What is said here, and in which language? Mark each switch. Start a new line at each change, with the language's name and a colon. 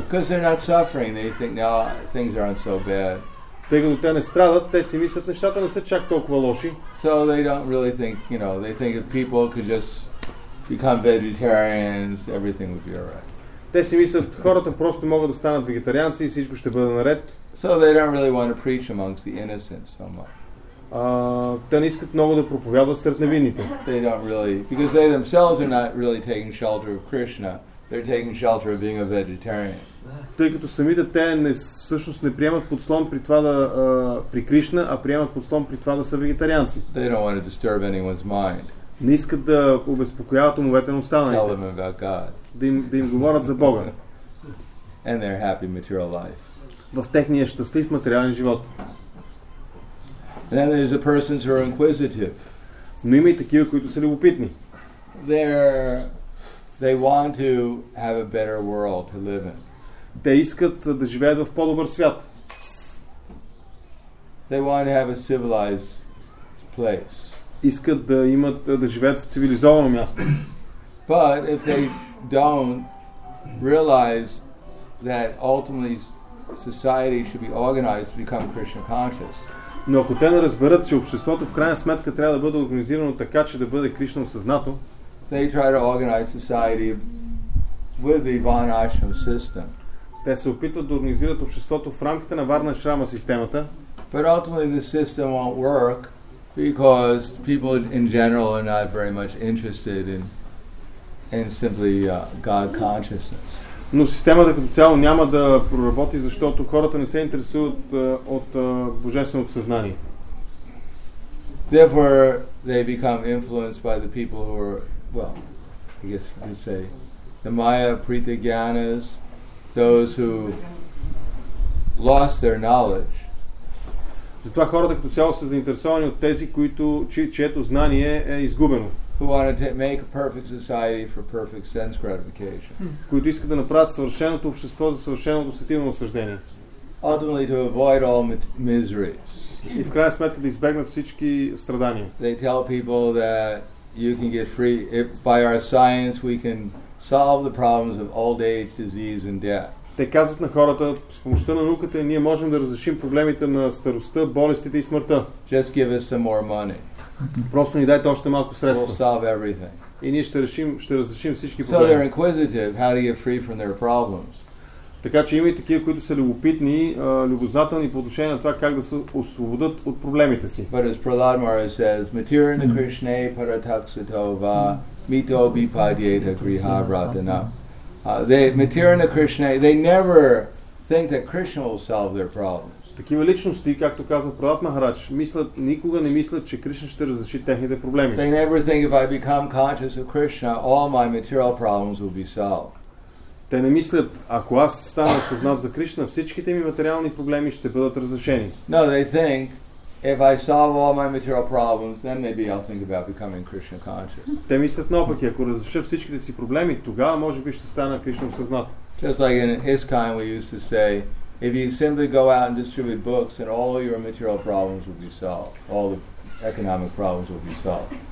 English: Because they're not suffering, they think now things aren't so bad.
Bulgarian: Тъй като те не страдат, те си мислят, нещата не са чак толкова лоши.
English: So they don't really think, you know, they think if people could just become vegetarians, everything would be alright.
Bulgarian: Те си мислят, хората просто могат да станат вегетарианци и всичко ще бъде наред.
English: So they don't really want to preach amongst the innocent so much.
Bulgarian: Те не искат много да проповядват сред невинните.
English: They don't really, because they themselves are not really taking shelter of Krishna. They're taking shelter of being a vegetarian.
Bulgarian: Тъй като самите те не, всъщност не приемат подслон при това да при Кришна, а приемат подслон при това да са вегетарианци.
English: They don't want to disturb anyone's mind.
Bulgarian: Не искат да обезпокояват умовете на останалите. Да им говорят за Бога.
English: And their happy material life.
Bulgarian: В техния щастлив материален живот.
English: Then there's the persons who are inquisitive.
Bulgarian: Но има и такива, които са любопитни.
English: They want to have a better world to live in.
Bulgarian: Те искат да живеят в по-добър свят.
English: They want to have a civilized place.
Bulgarian: Искат да имат да живеят в цивилизовано място.
English: But if they don't realize that ultimately society should be organized to become Krishna conscious.
Bulgarian: Но ако те не разберат, че обществото в крайна сметка трябва да бъде организирано така, че да бъде Кришна осъзнато,
English: they try to organize society with the Varnashram system.
Bulgarian: Те се опитват да организират обществото в рамките на Варнашрама системата.
English: But ultimately the system won't work because people in general are not very much interested in simply God consciousness.
Bulgarian: Но системата като цяло няма да проработи, защото хората не се интересуват от божественото съзнание.
English: Therefore they become influenced by the people who are, well, I guess you could say, the Maya Pritigyanas, those who lost their knowledge.
Bulgarian: Затова хората като цяло са заинтересовани от тези, които чието знание е изгубено.
English: Who wanted to make a perfect society for perfect sense gratification.
Bulgarian: Които искат да направят съвършеното общество за съвършеното усетително наслаждение.
English: Ultimately to avoid all miseries.
Bulgarian: И в крайна сметка да избегнат всички страдания.
English: They tell people that you can get free if by our science we can solve the problems of old age, disease and death.
Bulgarian: Те казват на хората, с помощта на науката ние можем да разрешим проблемите на старостта, болестите и смъртта.
English: Just give us some more money.
Bulgarian: Просто ни дайте още малко средства.
English: We'll solve everything.
Bulgarian: И ние ще разрешим всички проблеми.
English: So they're inquisitive, how to get free from their problems.
Bulgarian: Така че има и такива, които са любопитни, любознателни по отношение на това как да се освободят от проблемите си.
English: But as Prahlad Maharaj says,
Sanskrit: Matirana Krishne Paratakshitova Mito Bipadyeta Griha Vratana. Matirana Krishne,
English: they never think that Krishna will solve their problems.
Bulgarian: Такива личности, както казва Прахлад Махарадж, мислят, никога не мислят, че Кришна ще разреши техните проблеми.
English: They never think if I become conscious of Krishna, all my material problems will be solved.
Bulgarian: Те не мислят, ако аз стана осъзнат за Кришна, всичките ми материални проблеми ще бъдат разрешени.
English: No, they think if I solve all my material problems, then maybe I'll think about becoming Krishna conscious.
Bulgarian: Те мислят наопаки, ако разреша всичките си проблеми, тогава може би ще стана Кришна осъзнат.
English: Just like in ISKCON we used to say, if you simply go out and distribute books, then all your material problems will be solved. All the economic problems will be solved.